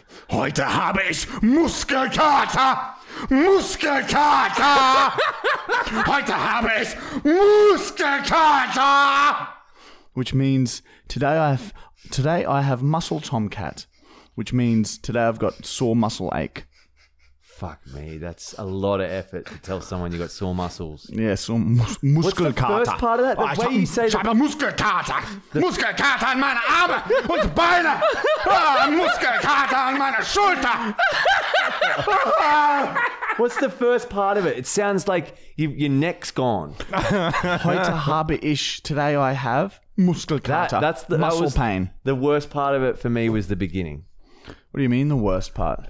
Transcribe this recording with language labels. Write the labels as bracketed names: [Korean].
[German] Heute habe ich Muskelkater! Muskelkater! Heute habe ich Muskelkater! [English] Which means today I have muscle tomcat, which means today I've got sore muscle ache. Fuck me, that's a lot of effort to tell someone you got sore muscles. Yeah, sore muskelkater. What's the first part of that? The way you say it. [German] Muskelkater in meine Arme und Beine. Muskelkater in meine Schulter. [English] What's the first part of it? It sounds like your neck's gone. [German] Heute habe ich, [English] today I have muskelkater. That's the muscle pain. The worst part of it for me was the beginning. What do you mean the worst part?